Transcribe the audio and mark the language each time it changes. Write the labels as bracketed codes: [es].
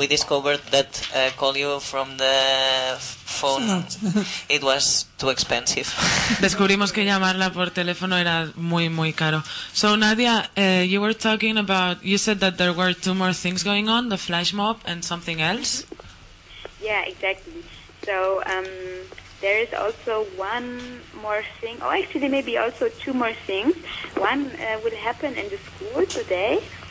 [en] We discovered that call you from the phone, it was too expensive. [es] Descubrimos que llamarla por teléfono era muy, muy caro. [en] So, Nadia, you were talking about, you said that there were two more things going on, the flash mob and something else. Yeah, exactly. So, there is also one more thing. Oh, actually, maybe also two more things. One will happen in the school today.